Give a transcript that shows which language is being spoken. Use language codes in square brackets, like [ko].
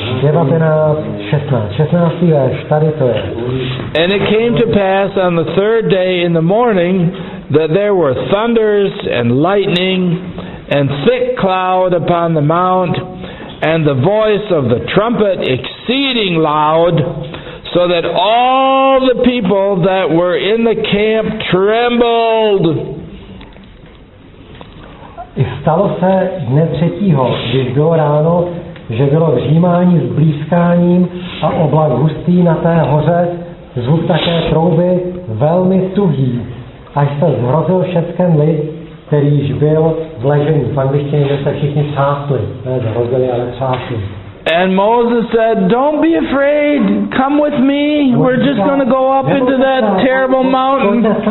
[en] And it came to pass on the third day in the morning that there were thunders and lightning and thick cloud upon the mount and the voice of the trumpet exceeding loud, so that all the people that were in the camp trembled. [cs] I stalo se dne třetího, když bylo ráno, že bylo vřímání s blízkáním a oblak hustý na té hoře, zvuk také trouby velmi tuhý, až se zhrozil všetkem lid, který již byl vležený. V angličtině, že se všichni třásli. Ne zhrozili, ale třásli. [en] And Moses said, "Don't be afraid. Come with me. We're just going to go up into that terrible mountain.